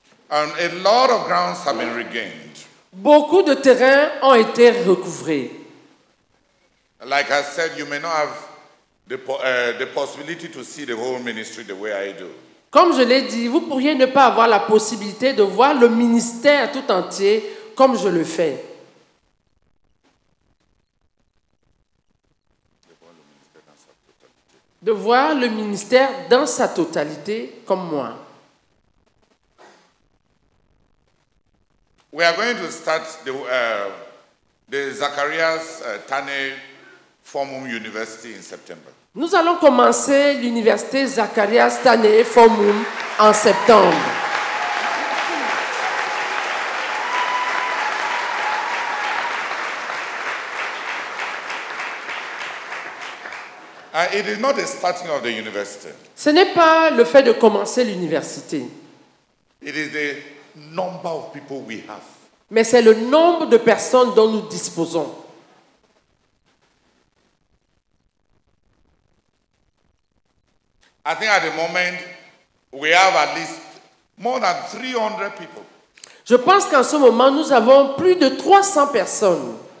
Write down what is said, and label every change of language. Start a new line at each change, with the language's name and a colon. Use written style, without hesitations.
English: And a lot of grounds have been regained.
French: Beaucoup de terrains ont été recouvrés.
English: Like I said, you may not have the possibility to see the whole ministry the way I do.
French: Comme je l'ai dit, vous pourriez ne pas avoir la possibilité de voir le ministère tout entier comme je le fais. De voir le ministère dans sa totalité comme moi.
English: We are going to start the Zacharias Tane Formum University in September.
French: Nous allons commencer l'université Zacharias Tane Formum en septembre.
English: It is not the starting of the university.
French: Ce n'est pas le fait de commencer l'université.
English: It is the number of people we have.
French: Mais c'est le nombre de personnes dont nous disposons.
English: I think at the moment we have at least more than 300 people.
French: Je pense qu'en ce moment nous avons plus de 300 personnes